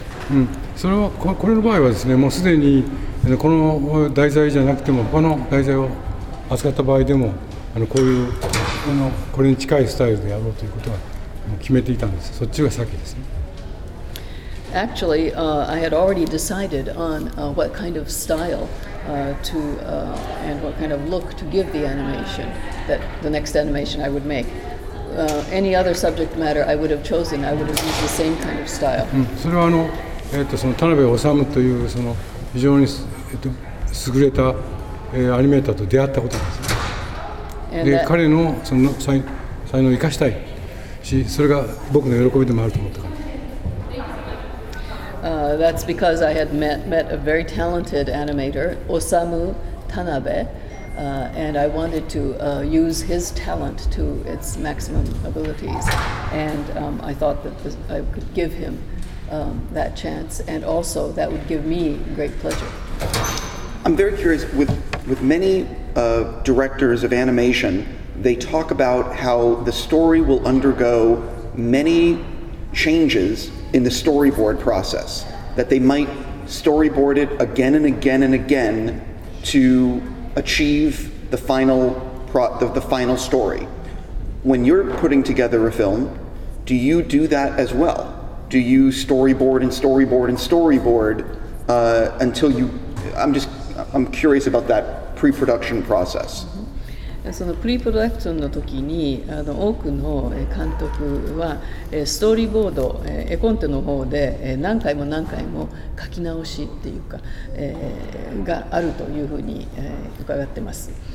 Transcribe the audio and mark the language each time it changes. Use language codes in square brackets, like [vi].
[ja] うん、それは これの場合はですね、もうすでにこの題材じゃなくても他の題材を扱った場合でもこういうこれに近いスタイルでやろうということは決めていたんです。そっちが先ですね。 [en] Actually, I had already decided on what kind of style to and what kind of look to give the animation, that the next animation I would make. Any other subject matter I would have chosen, I would have used the same kind of style. [ja] うん、それはその田辺治というその非常に優れた、アニメーターと出会ったことです。で、彼のその才能を生かしたいし、それが僕の喜びでもあると思ったから。 [en] That's because I had met a very talented animator, Osamu Tanabe, and I wanted to use his talent to its maximum abilities. And I thought that I could give him that chance, and also that would give me great pleasure. I'm very curious, with many directors of animation, they talk about how the story will undergo many changes in the storyboard process. That they might storyboard it again and again and again to achieve the final story. When you're putting together a film, do you do that as well? Do you storyboard and storyboard and storyboard until you? I'm curious about that pre-production process. [ja] そのプリプロダクションの時に多くの監督はストーリーボード絵コンテの方で何回も何回も書き直しっていうかがあるというふうに伺ってます。